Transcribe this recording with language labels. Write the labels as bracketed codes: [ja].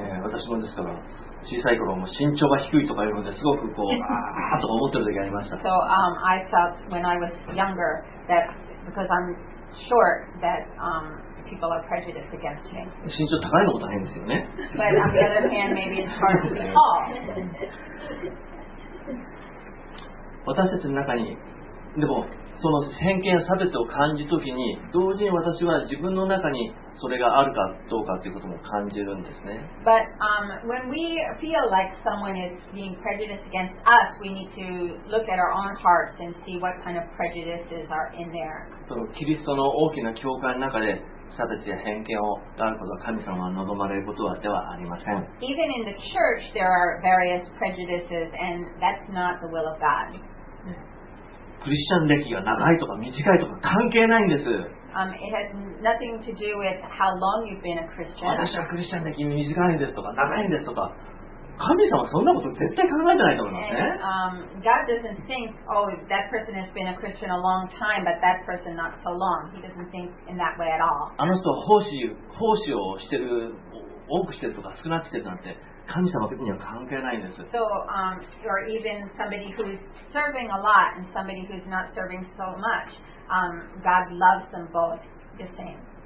[ja] 私もですから、小さい頃も身長が低いとかいうのですごくこう、ああとか思ってる時ありました。 [en] So, I felt when I was younger that because I'm short that, people are prejudiced against me. [ja] 身長高いのも大変ですよね。 [en] But on the other hand, maybe it's hard to be tall. [ja] 私たちの中にでもその偏見や差別を感じるときに同時に私は自分の中にそれがあるかどうかということも感じるんですね。 [en] But, when we feel like someone is being prejudiced against us, we need to look at our own hearts and see what kind of prejudices are in there. [ja] そのキリストの大きな教会の中で差別や偏見をあることは神様は望まれることではありません。 [en] Even in the church, there are various prejudices, and that's not the will of God. [ja] クリスチャン歴が長いとか短いとか関係ないんです。 [en] It has nothing to do with how long you've been a Christian. [ja] 私はクリスチャン歴短いですとか長いんですとか、神様はそんなこと絶対考えてないと思いますね。 [en] God doesn't think, oh, that person has been a Christian a long time, but that person not so long. He doesn't think in that way at all. [ja] あの人は奉仕をしてる、多くしてるとか少なくしてるなんて、神様には関係ないんです。 [en] So, or even somebody who's serving a lot and somebody who's not serving so much, God loves them both the same.